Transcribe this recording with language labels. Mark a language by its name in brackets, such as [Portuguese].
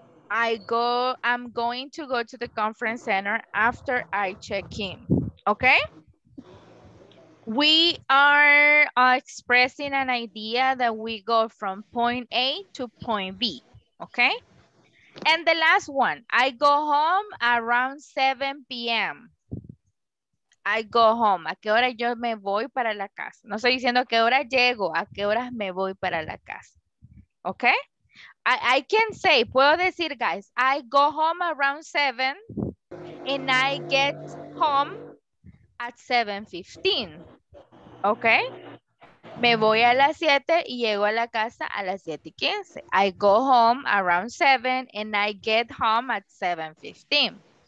[English] I'm going to go to the conference center after I check in. Okay? We are expressing an idea that we go from point A to point B. Okay? And the last one, I go home around 7 p.m. I go home. [Spanish] ¿A qué hora yo me voy para la casa? No estoy diciendo a qué hora llego, a qué horas me voy para la casa. [English] Okay? I can say, [Spanish] puedo decir, [English] guys, I go home around 7 and I get home at 7:15. Okay? [Spanish] Me voy a las 7 y llego a la casa a las 7:15. [English] I go home around 7 and I get home at 7:15.